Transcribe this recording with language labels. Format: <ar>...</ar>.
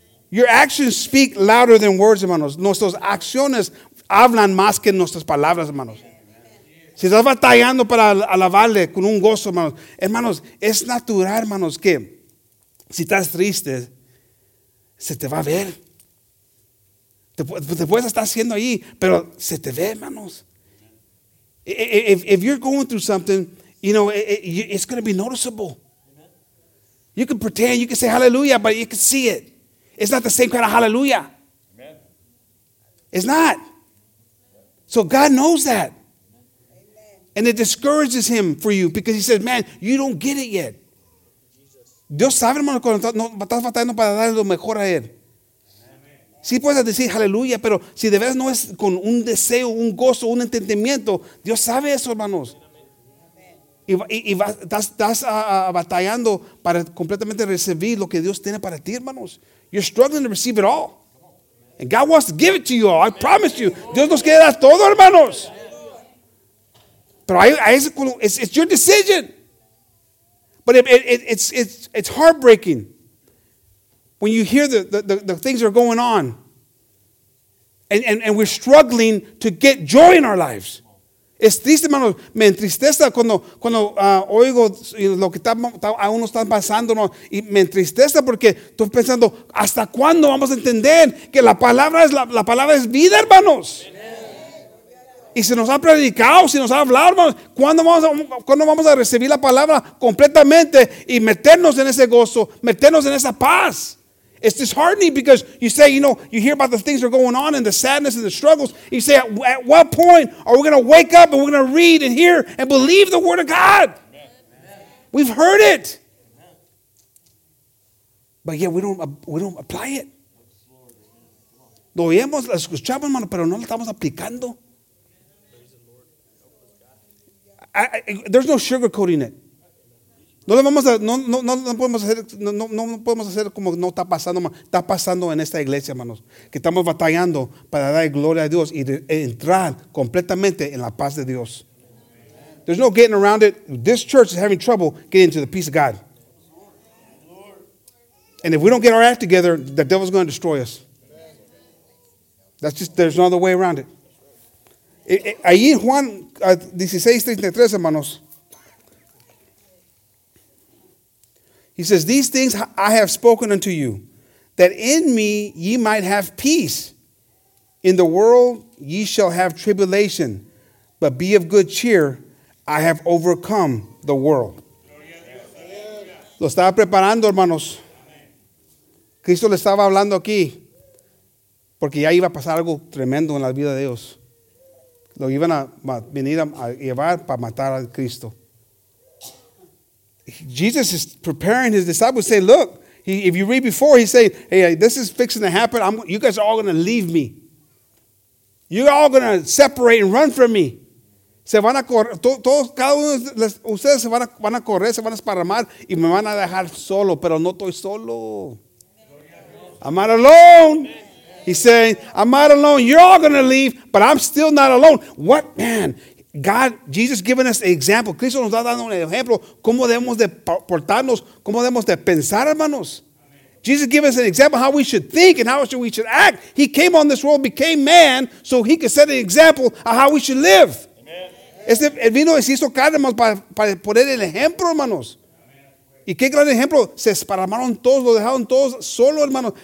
<en>Your actions speak louder than words,</en> <es>hermanos. Nuestras acciones hablan más que nuestras palabras, hermanos. Si estás batallando para alabarle con un gozo, hermanos. Hermanos, es natural, hermanos, que si estás triste, se te va a ver. Te puedes estar haciendo ahí, pero se te ve, hermanos.</es> <en>If you're going through something, you know, it's going to be noticeable. You can pretend, you can say hallelujah, but you can see it. It's not the same kind of hallelujah. It's not. So God knows that. And it discourages him for you because he says, man, you don't get it yet.</en> <es>Dios sabe, hermano, cuando estás batallando para darle lo mejor a él. Sí puedes decir aleluya, pero si de verdad no es con un deseo, un gozo, un entendimiento, Dios sabe eso, hermanos. Y estás batallando para completamente recibir lo que Dios tiene para ti, hermanos.</es> <en>You're struggling to receive it all. And God wants to give it to you all. I promise you.</en> <es>Dios nos quiere dar todo, hermanos.</es> <en>It's your decision. But it's heartbreaking when you hear the things that are going on and we're struggling to get joy in our lives.</en> <es>Es triste, hermano. Me entristece cuando oigo lo que aún están pasando. Y me entristece porque estoy pensando, ¿hasta cuándo vamos a entender que la palabra es vida, hermanos? Y se nos ha predicado, se nos ha hablado, hermanos. ¿Cuándo vamos a recibir la palabra completamente y meternos en ese gozo, meternos en esa paz?</es> <en>It's disheartening because you say, you know, you hear about the things that are going on and the sadness and the struggles. You say, at what point are we going to wake up and we're going to read and hear and believe the word of God? Amen. We've heard it. Amen. But yet we don't apply it.</en> <es>Lo oímos, lo escuchamos, hermano, pero no lo estamos aplicando.</es> <en>There's no sugarcoating it.</en> <es>No podemos hacer como no está pasando, está pasando en esta iglesia, hermanos, que estamos batallando para dar gloria a Dios y entrar completamente en la paz de Dios.</es> <en>There's no getting around it. This church is having trouble getting to the peace of God. And if we don't get our act together, the devil's going to destroy us. That's just, there's no other way around it.</en> <es>Ahí en Juan 16:33, hermanos,</es> <en>he says, these things I have spoken unto you, that in me ye might have peace. In the world ye shall have tribulation, but be of good cheer, I have overcome the world.</en> <es>Lo estaba preparando, hermanos. Cristo le estaba hablando aquí, porque ya iba a pasar algo tremendo en la vida de ellos. Lo iban a venir a llevar para matar a Cristo.</es> <en>Jesus is preparing his disciples, saying, look, if you read before, he's saying, hey, this is fixing to happen. You guys are all going to leave me. You're all going to separate and run from me.</en> <es>Se van a correr. Todos, cada uno de ustedes se van a correr, se van a esparramar y me van a dejar solo, pero no estoy solo.</es> <en>I'm not alone. He's saying, I'm not alone. You're all going to leave, but I'm still not alone. What, man? God, Jesus giving us an example.</en> <es>Cristo nos está dando un ejemplo. ¿Cómo debemos de portarnos? ¿Cómo debemos de pensar, hermanos?</es> <en>Jesus giving us an example how we should think and how we should act. He came on this world, became man, so he could set an example of how we should live.</en> <es>Él vino y se hizo carne, hermanos, para poner el ejemplo, hermanos. ¿Y qué gran ejemplo? Se esparramaron todos, lo dejaron todos solo, hermanos.</es>